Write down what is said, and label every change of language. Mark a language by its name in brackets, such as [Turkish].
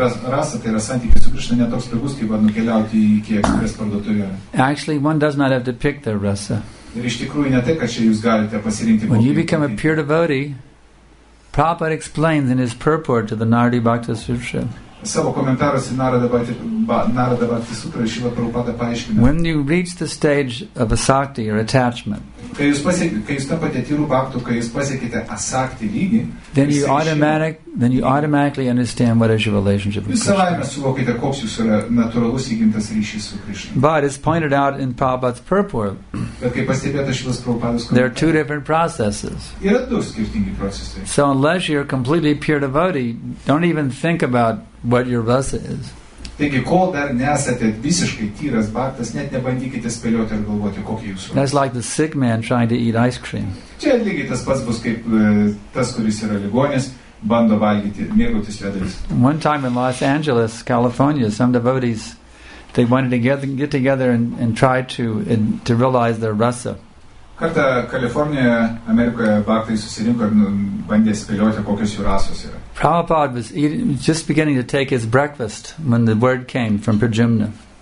[Lithuanian] Rasa tai yra santykis su Krishna ne toks pigus, kaip nukeliauti į Iki Express parduotuvę. [English] Actually, one does not have to pick their rasa. [Lithuanian] Ir iš tikrųjų ne tai, kad čia jūs galite pasirinkti. [English] When you become a pure devotee, Prabhupada explains in his purport to the Narada Bhakti Sutra. [Lithuanian] Savo komentaruose Narada Bhakti Sutra Šrila Prabhupada paaiškina. [English] When you reach the stage of asakti or attachment. Then you automatically understand what is your relationship with Krishna. [Lithuanian] Jūs savaime suvokite, koks jūsų yra natūralus įgimtas ryšys su Krishna. [English] But it's pointed out in Prabhupada's purport. [Lithuanian] Bet kaip pastebėta Šrilos Prabhupados komentare. [English] There are two different processes. [Lithuanian] Yra du skirtingi procesai. [English] So unless you're completely pure devotee, don't even think about what your rasa is. [Lithuanian] Taigi, kol dar nesate visiškai tyras baktas, net nebandykite spėlioti ir galvoti, kokį jūsų. [English] That's like the sick man trying to eat ice cream. [Lithuanian] Čia lygiai tas pats bus kaip tas, kuris yra ligonis, bando valgyti, mėgautis ledais. [English] One time in Los Angeles, California, some devotees, they wanted to get together and try to realize their rasa. [Lithuanian] Kartą Kalifornijoje, Amerikoje, baktai susirinko ir bandė spėlioti, kokios jų rasos yra. [English] Prabhupada was just beginning to take his breakfast when the word came from Pradyumna.